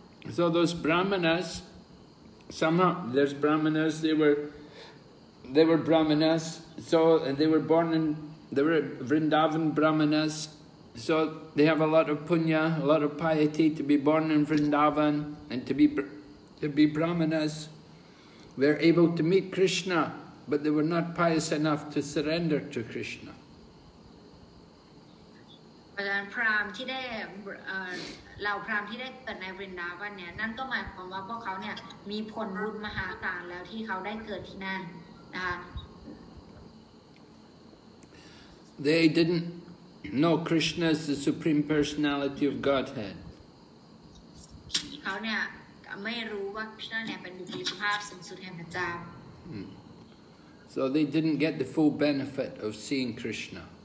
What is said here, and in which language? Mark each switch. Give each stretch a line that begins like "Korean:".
English: So those brahmanas somehow there's brahmanas they were brahmanas so they were born in they were Vrindavan brahmanas so they have a lot of punya a lot of piety to be born in Vrindavan and to be brahmanas they're able to meet Krishna. But they were not pious enough to surrender to Krishna. But then,
Thai: Pram, ที่ได้เหล่าพราหมณ์ที่ได้เกิดในวรินดาวันเนี่ยนั่นก็หมายความว่าพวกเขาเนี่ยมีผลบุญมหาศาลแล้วที่เขาได้เกิดที่นั่นนะคะ
English: They didn't know Krishna as the supreme personality of Godhead.
Thai: เขาเนี่ยไม่รู้ว่าพระเนี่ยเป็นบุคคลภาพสูงสุดแห่งพระเจ้า
English: So they didn't get the full benefit of seeing Krishna.